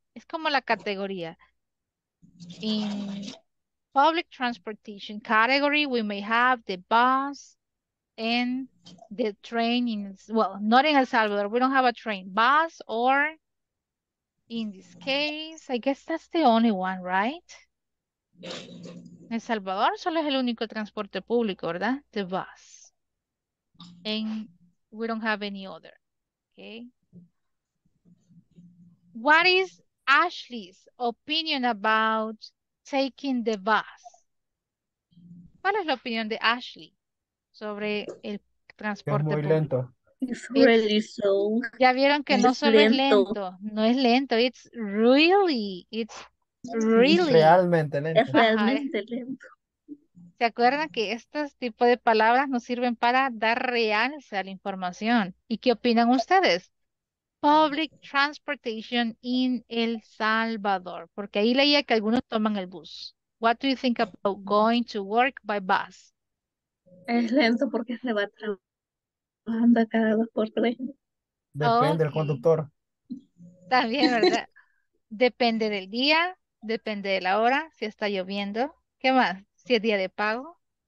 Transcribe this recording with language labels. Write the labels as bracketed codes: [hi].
[es] Es como la categoría. [en] In public transportation category, we may have the bus and the train in, well, not in El Salvador, we don't have a train, bus, or in this case, I guess that's the only one, right? [es] El Salvador solo es el único transporte público, ¿verdad? [en] The bus. And we don't have any other, okay? What is Ashley's opinion about taking the bus? [es] ¿Cuál es la opinión de Ashley sobre el transporte público? Es muy [en] lento. It's really slow. [es] Ya vieron que no solo es lento. No es lento. [en] It's really. It's really. [es] Realmente lento. Es realmente lento. ¿Se acuerdan que estos tipos de palabras nos sirven para dar realce a la información? ¿Y qué opinan ustedes? [en] Public transportation in El Salvador. [es] Porque ahí leía que algunos toman el bus. [en] What do you think about going to work by bus? [es] Es lento porque se va trabajando cada dos por tres. Depende okay. del conductor. También, ¿verdad? Depende del día, depende de la hora, si está lloviendo. ¿Qué más? Si es día de pago.